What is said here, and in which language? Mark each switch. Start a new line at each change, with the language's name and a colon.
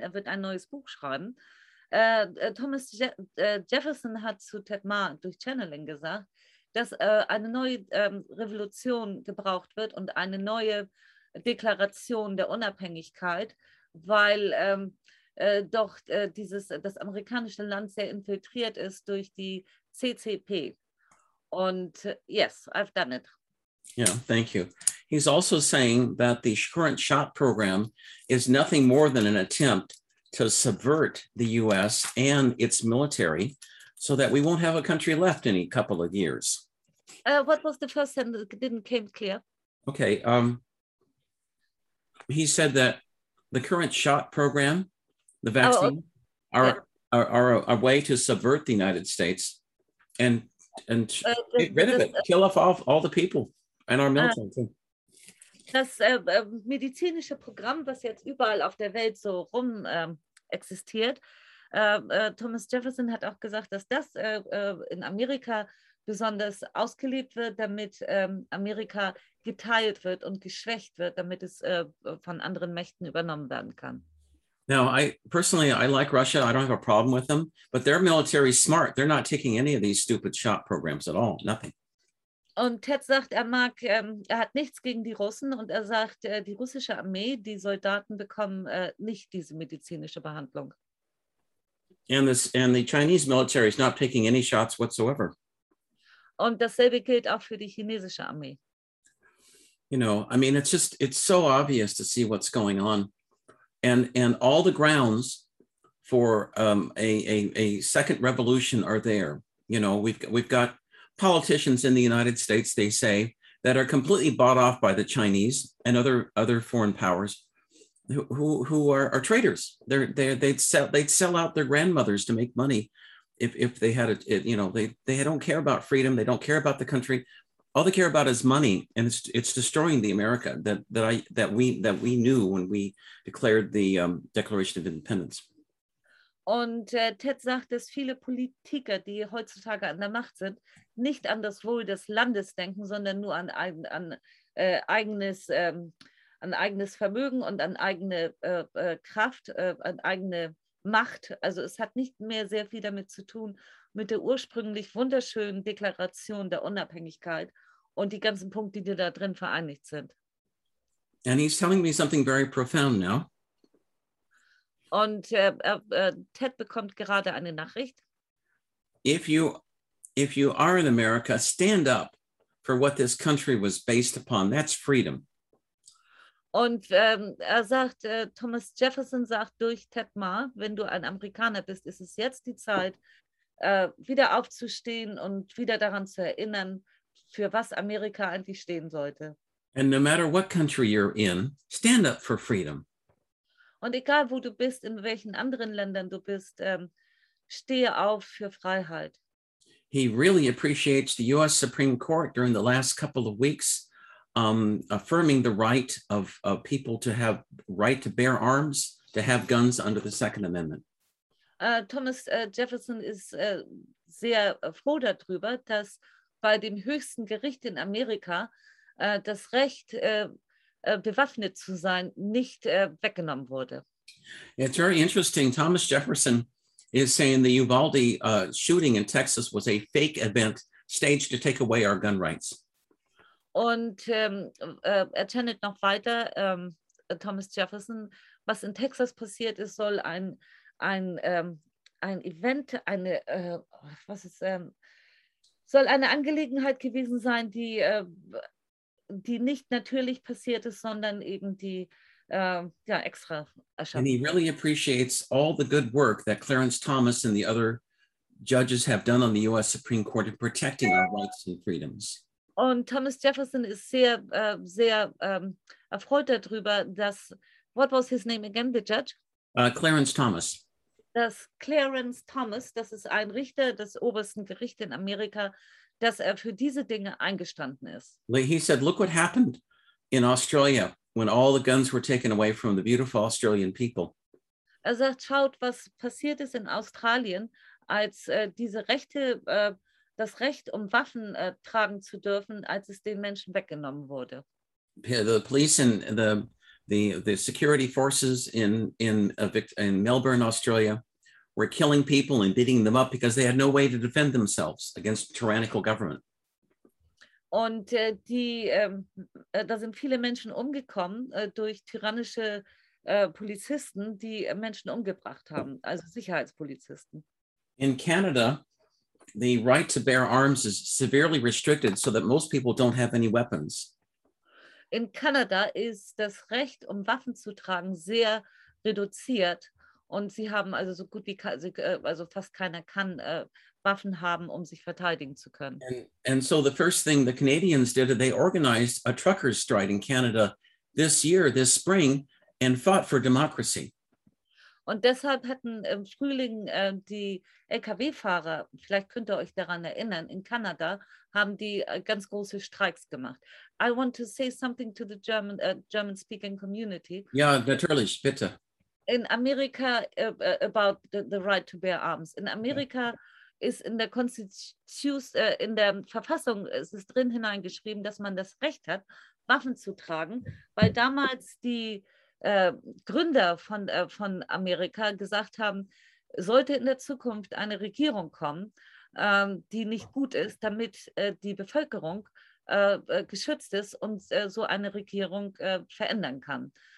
German: Er wird ein neues Buch schreiben. Thomas Jefferson hat zu Ted Mahr durch Channeling gesagt, dass eine neue Revolution gebraucht wird und eine neue Deklaration der Unabhängigkeit, weil das amerikanische Land sehr infiltriert ist durch die CCP.
English: Und yes, I've done it. Yeah, thank you. He's also saying that the current SHOT program is nothing more than an attempt to subvert the U.S. and its military so that we won't have a country left in a couple of years. What was the first sentence that didn't came clear? Okay. He said that the current SHOT program, the vaccine, are a way to subvert the United States and get rid of it, kill off all the people and our military.
German: Das medizinische Programm, was jetzt überall auf der Welt so rum existiert, Thomas Jefferson hat auch gesagt, dass das in Amerika besonders ausgelebt wird, damit Amerika geteilt wird und geschwächt wird, damit es von anderen Mächten übernommen werden kann.
English: Now, I personally like Russia. I don't have a problem with them, but their military is smart. They're not taking any of these stupid shot programs at all. Nothing.
German: Und Ted sagt, er mag, er hat nichts gegen die Russen und er sagt, die russische Armee, die Soldaten bekommen nicht diese medizinische Behandlung.
English: And the Chinese military is not taking any shots whatsoever.
German: Und dasselbe gilt auch für die chinesische Armee.
English: You know, I mean, it's so obvious to see what's going on. And all the grounds for a second revolution are there. You know, we've got politicians in the United States, they say, that are completely bought off by the Chinese and other foreign powers who are traitors. They'd sell out their grandmothers to make money. If they had they don't care about freedom. They don't care about the country. All they care about is money, and it's destroying the America that we knew when we declared the Declaration of Independence.
German: Und Ted sagt, dass viele Politiker, die heutzutage an der Macht sind, nicht an das Wohl des Landes denken, sondern nur an eigenes Vermögen und an eigene Kraft, an eigene Macht. Also es hat nicht mehr sehr viel damit zu tun mit der ursprünglich wunderschönen Deklaration der Unabhängigkeit und die ganzen Punkte, die da drin vereinigt sind.
English: And he's telling me something very profound now.
German: Und Ted bekommt gerade eine Nachricht.
English: If you are in America, stand up for what this country was based upon. That's freedom.
German: Und er sagt, Thomas Jefferson sagt durch Ted Mahr, wenn du ein Amerikaner bist, ist es jetzt die Zeit, wieder aufzustehen und wieder daran zu erinnern, für was Amerika eigentlich stehen sollte.
English: And no matter what country you're in, stand up for freedom.
German: Und egal wo du bist, in welchen anderen Ländern du bist, stehe auf für Freiheit.
English: He really appreciates the U.S. Supreme Court during the last couple of weeks. Affirming the right of people to have right to bear arms, to have guns under the Second Amendment.
German: Thomas Jefferson ist sehr froh darüber, dass bei dem höchsten Gericht in Amerika das Recht bewaffnet zu sein, nicht weggenommen wurde.
English: It's very interesting. Thomas Jefferson is saying the Uvalde shooting in Texas was a fake event staged to take away our gun rights.
German: Und erzählt noch weiter, Thomas Jefferson, was in Texas passiert ist, soll ein Event, eine was ist soll eine Angelegenheit gewesen sein, die die nicht natürlich passiert ist, sondern eben die ja extra erschaffen.
English: And he really appreciates all the good work that Clarence Thomas and the other judges have done on the U.S. Supreme Court in protecting our rights and freedoms.
German: Und Thomas Jefferson ist sehr sehr erfreut darüber, dass
English: what was his name again, the judge? Clarence Thomas.
German: Dass Clarence Thomas, das ist ein Richter des obersten Gerichts in Amerika, dass er für diese Dinge eingestanden ist.
English: He said, look what happened in Australia when all the guns were taken away from the beautiful Australian people.
German: Er sagt, schaut, was passiert ist in Australien, als diese Rechte, das Recht, um Waffen tragen zu dürfen, als es den Menschen weggenommen wurde.
English: The police and the security forces in Melbourne, Australia, were killing people and beating them up because they had no way to defend themselves against tyrannical government.
German: Und da sind viele Menschen umgekommen durch tyrannische Polizisten, die Menschen umgebracht haben, also Sicherheitspolizisten.
English: In Canada, the right to bear arms is severely restricted so that most people don't have any weapons.
German: In Kanada ist das Recht, um Waffen zu tragen, sehr reduziert. Und sie haben also so gut wie, also fast keiner kann Waffen haben, um sich verteidigen zu können.
English: And so the first thing the Canadians did, they organized a truckers' strike in Canada this year, this spring, and fought for democracy.
German: Und deshalb hatten im Frühling die LKW-Fahrer, vielleicht könnt ihr euch daran erinnern, in Kanada haben die ganz große Streiks gemacht.
English: I want to say something to the German-speaking community.
German: Ja, natürlich, bitte.
English: In Amerika, about the right to bear arms.
German: In Amerika ist in der Verfassung ist es drin hineingeschrieben, dass man das Recht hat, Waffen zu tragen, weil damals die Gründer von Amerika gesagt haben, sollte in der Zukunft eine Regierung kommen, die nicht gut ist, damit die Bevölkerung geschützt ist und so eine Regierung verändern kann.